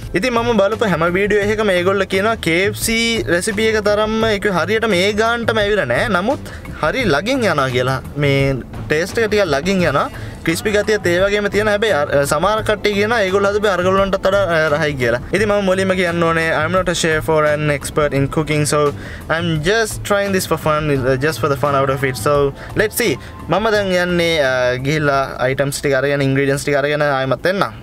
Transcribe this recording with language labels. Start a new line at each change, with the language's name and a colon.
Sinhala: ඉතින් මම බලපු හැම වීඩියෝ එකකම මේගොල්ලෝ කියනවා KFC රෙසිපි එක තරම්ම ඒක හරියට මේ ගානටම ඇවිල්ලා නැහැ. නමුත් හරි ලගින් යනවා කියලා. මේ ටේස්ට් එක ටිකක් ලගින් යනවා. ක්‍රිස්පි ගතියත් ඒ වගේම තියෙන හැබැයි සමහර කට්ටිය කියනවා ඒගොල්ලෝ හදපු අරගලුන්ටත් වඩා රහයි කියලා. ඉතින් මම මුලින්ම කියන්න ඕනේ
English: I'm not a chef or an expert in cooking so I'm just trying this for fun just for the fun out of it. So let's see.
Sinhala: මම දැන් යන්නේ ගිහිල්ලා ආයිටම්ස් ටික අරගෙන ඉන්ග්‍රීඩියන්ට්ස් ටික අරගෙන ආයමත් එන්න.